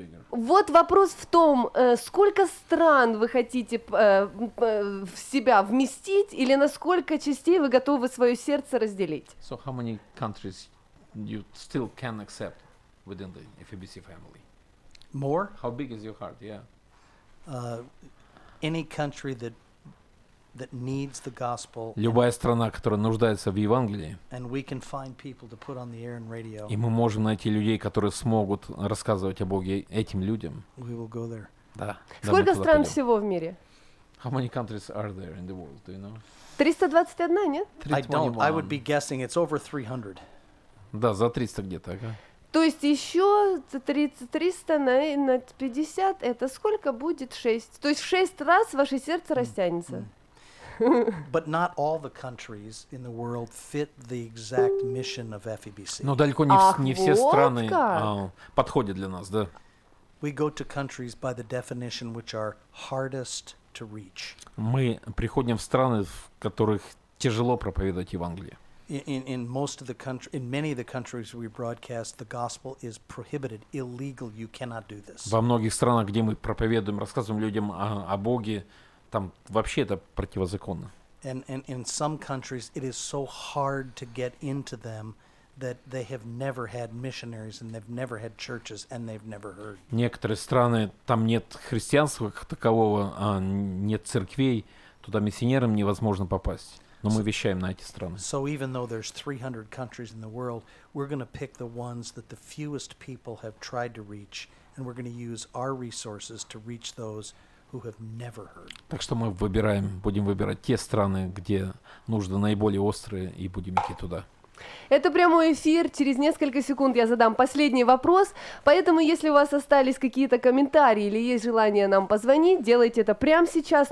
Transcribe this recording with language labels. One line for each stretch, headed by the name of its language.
Russian: Вот вопрос в том, сколько стран вы хотите в себя вместить или на сколько частей вы готовы свое сердце разделить?
English: So how many countries you still can accept within the FABC family? More? How big is your heart? Yeah. Any country that needs the gospel.
Russian: Любая страна, которая нуждается в Евангелии.
English: And we can find people to put on the air and radio.
Russian: И мы можем найти людей, которые смогут рассказывать о Боге этим людям.
English: We will go there.
Russian: Да. Сколько стран всего в мире?
English: How many countries are there in the world, do you know?
Russian: 321, нет?
English: I don't. I would be guessing it's over 300.
Russian: Да, за 300 где-то, ага. То есть еще 300 на 50, это сколько будет 6? То есть в 6 раз ваше сердце растянется.
English: But not all the countries in the world fit the exact mission of FEBC.
Russian: Но далеко не, ах, не все вот страны подходят для нас, да?
English: We go to countries by the definition which are hardest to reach.
Russian: Мы приходим в страны, в которых тяжело проповедовать Евангелие.
English: In most of the country, in many of the countries we broadcast, the gospel is prohibited, illegal. You cannot do this.
Russian: Во многих странах, где мы проповедуем, рассказываем людям о Боге, там вообще это противозаконно.
English: And in some countries, it is so hard to get into them that they have never had missionaries and they've never had churches and they've never heard.
Russian: Некоторые страны там нет христианства как такового, нет церквей, туда миссионерам невозможно попасть. Но мы вещаем на эти страны.
English: So even though there's 300 countries in the world, we're going to pick the ones that the fewest people have tried to reach, and we're going to use our resources to reach those who have never heard.
Russian: Так что мы выбираем, будем выбирать те страны, где нужды наиболее острые, и будем идти туда. Это прямой эфир. Через несколько секунд я задам последний вопрос. Поэтому, если у вас остались какие-то комментарии или есть желание нам позвонить, делайте это прямо сейчас.